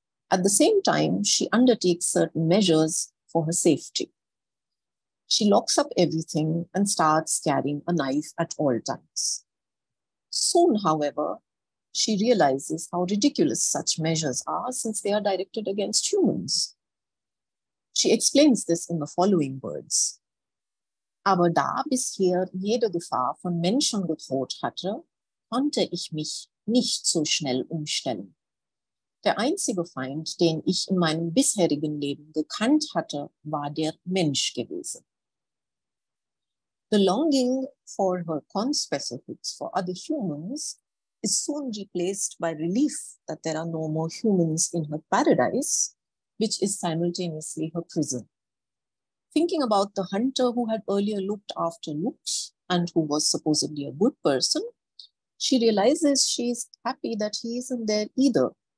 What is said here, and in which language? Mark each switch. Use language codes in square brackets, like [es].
[en] At the same time, she undertakes certain measures for her safety. She locks up everything and starts carrying a knife at all times. Soon, however, she realizes how ridiculous such measures are since they are directed against humans. She explains this in the following words. [de] Aber da bisher jede Gefahr von Menschen gedroht hatte, konnte ich mich nicht so schnell umstellen. Der einzige Feind, den ich in meinem bisherigen Leben gekannt hatte, war der Mensch gewesen. [en] The longing for her conspecifics for other humans is soon replaced by relief that there are no more humans in her paradise, which is simultaneously her prison. Thinking about the hunter who had earlier looked after Luke and who was supposedly a good person, she realizes she is happy that he isn't there either.